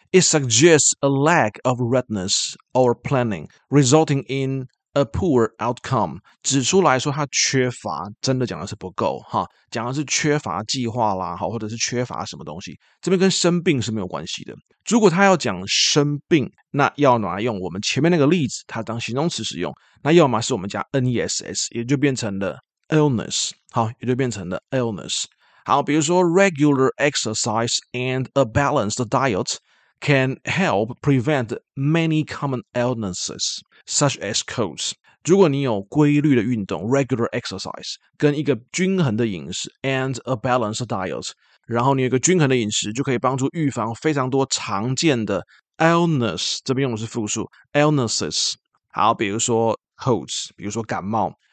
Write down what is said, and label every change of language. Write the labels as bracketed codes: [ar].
[en] It suggests a lack of readiness or planning resulting in a poor outcome， [zh] 指出来说它缺乏，真的讲的是不够哈，讲的是缺乏计划啦，好，或者是缺乏什么东西，这边跟生病是没有关系的。如果他要讲生病，那要拿来用我们前面那个例子，它当形容词使用，那要么是我们加 ness， 也就变成了 illness， 好，也就变成了 illness。好，比如说 [en] regular exercise and a balanced diet can help prevent many common illnesses such as colds。 [zh] 如果你有规律的运动 [en] regular exercise, [zh] 跟一个均衡的饮食 [en] and a balanced diet, [zh] 然后你有一个均衡的饮食就可以帮助预防非常多常见的 illness, 这边用的是复数 illnesses, 好比如说 colds, 比如说感冒。